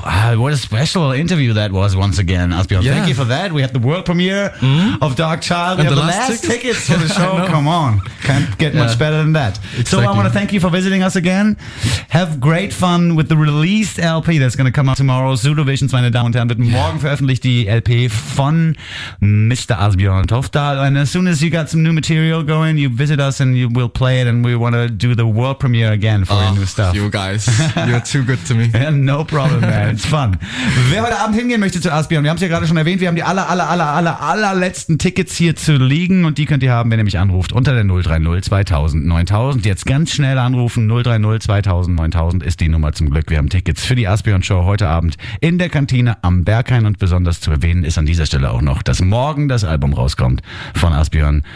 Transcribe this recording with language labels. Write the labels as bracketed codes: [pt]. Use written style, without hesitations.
[en] What a special interview that was once again, Asbjørn. Yeah. Thank you for that. We had the world premiere of Dark Child. And we have the last tickets for the show. Come on. Can't get much better than that. Exactly. So I want to thank you for visiting us again. Have great fun with the released LP that's going to come out tomorrow. [de] Pseudo Visions, meine Damen und Herren, wird morgen veröffentlicht die LP von Mr. Asbjørn Toftal. [en] And as soon as you got some new material, going, you visit us and you will play it, and we want to do the world premiere again for your new stuff. You guys, you're too good to me. No problem, man. It's fun. [de] Wer heute Abend hingehen möchte zu Asbjørn, wir haben es ja gerade schon erwähnt, wir haben die allerletzten Tickets hier zu liegen, und die könnt ihr haben, wenn ihr mich anruft unter der 030 2000 9000. Jetzt ganz schnell anrufen. 030 2000 9000 ist die Nummer zum Glück. Wir haben Tickets für die Asbjørn Show heute Abend in der Kantine am Berghain, und besonders zu erwähnen ist an dieser Stelle auch noch, dass morgen das Album rauskommt von Asbjørn.